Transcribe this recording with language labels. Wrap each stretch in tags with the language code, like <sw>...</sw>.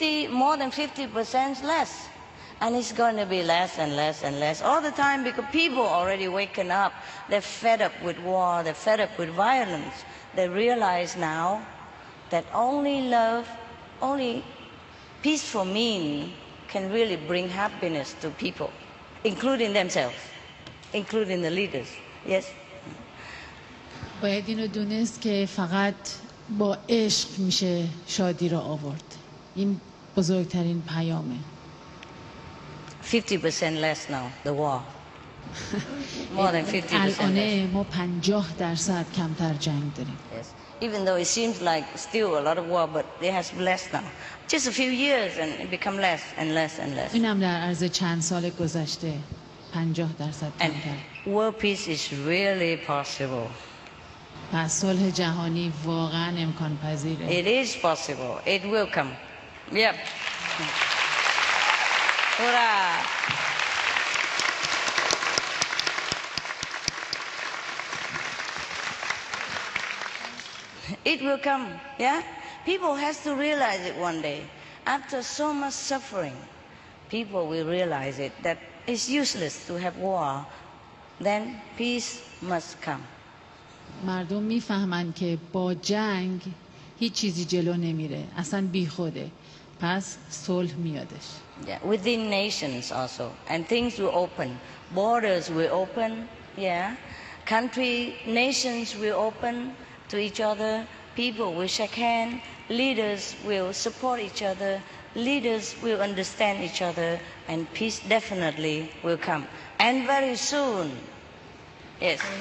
<en>More than 50% less. And it's going to be less and less and less all the time because people already waken up. They're fed up with war. They're fed up with violence. They realize now that only love, only peaceful means can really bring happiness to people. Including themselves, including the leaders. Yes.</en> <fa>باید اینو دونست که فقط با عشق میشه شادی را آورد. این بزرگترین پیامه.</fa> <en>50% less now, the war. More than 50%.</en> <fa>الان ما 50% کمتر جنگ داریم.</fa> <en>Yes. Even though it seems like still a lot of war, but it has less now. Just a few years and it become less and less and less.</en> <fa>اینم در عرض چند سال گذشته 50% کمتر.</fa> <en>World peace is really possible.</en> <fa>پس صلح جهانی واقعا امکان پذیره.</fa> <en>It is possible. It will come. Yep.</en> <fa>هورا.</fa> <en>It will come, yeah? People have to realize it one day. After so much suffering, people will realize it, that it's useless to have war, then peace must come.</en> <fa>مردم میفهمن که با جنگ هیچ چیزی جلو نمیره، اصلا بیخوده، پس صلح میادش.</fa> <en>Yeah, within nations also, and things will open, borders will open, yeah, country, nations will open to each other, people will shake hands, leaders will support each other, leaders will understand each other, and peace definitely will come, and very soon. Yes.</en>